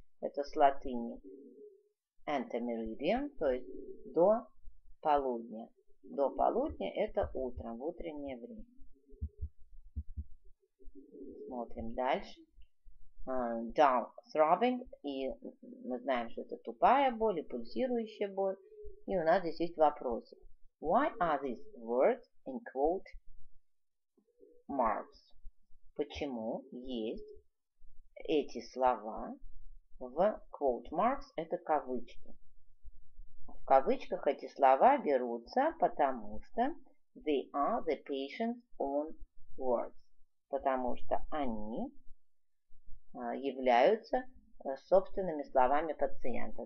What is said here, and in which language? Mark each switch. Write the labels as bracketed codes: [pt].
[ru] Это с латыни. Antemeridian, то есть до полудня. До полудня это утро, в утреннее время. Смотрим дальше. Down throbbing, и мы знаем, что это тупая боль и пульсирующая боль. И у нас здесь есть вопросы. [en] Why are these words in quote marks? [ru] Почему есть эти слова в quote marks? Это кавычки. В кавычках эти слова берутся, потому что [en] they are the patient's own words. [ru] Потому что они являются собственными словами пациента.